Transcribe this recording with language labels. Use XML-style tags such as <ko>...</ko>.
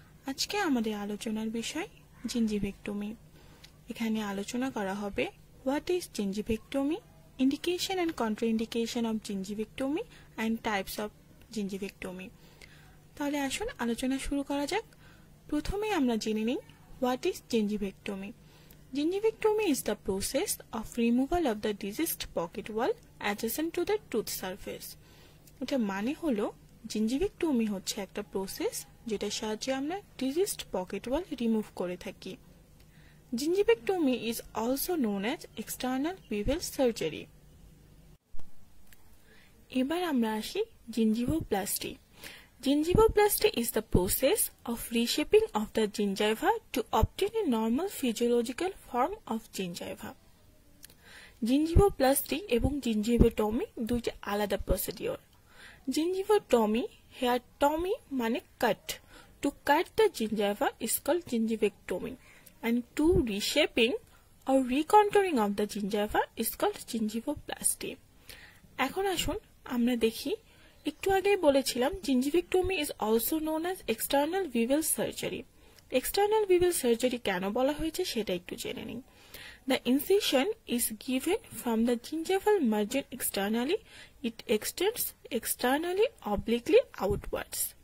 <bn>আজকে আমাদের আলোচনার বিষয় জিঞ্জিভেক্টোমি। এখানে আলোচনা করা হবে</bn> <en>What is gingivectomy, indication and contraindication of gingivectomy and types of gingivectomy.</en> <bn>তাহলে আসুন আলোচনা শুরু করা যাক। প্রথমে আমরা জেনে নিই</bn> <en>What is gingivectomy. Gingivectomy is the process of removal of the diseased pocket wall adjacent to the tooth surface.</en> <bn>এটা মানে হলো gingivectomy হচ্ছে একটা প্রসেস যেটা সাহায্যে আমরা diseased pocket wall remove করে থাকি।</bn> <en>Gingivectomy is also known as external bevel surgery.</en> <bn>এবার আমরা আসি gingivoplasty।</bn> <en>Gingivoplasty is the process of reshaping of the gingiva to obtain a normal physiological form of gingiva.</en> <bn>Gingivoplasty ebong gingivectomy duita alada procedure.</bn> <en>Gingivectomy, here tomy mane cut. To cut the gingiva is called gingivectomy, and to reshaping or recontouring of the gingiva is called gingivoplasty.</en> <bn>Ekhon ashun amra dekhi. একটু আগেই বলেছিলাম</bn> <en>Gingivectomy is also known as external bevel surgery.</en> <bn>External Vivel surgery কেন বলা হয়েছে সেটা একটু জেনে নিই।</bn> <en>The incision is given from the gingival margin externally, it extends externally obliquely outwards.</en>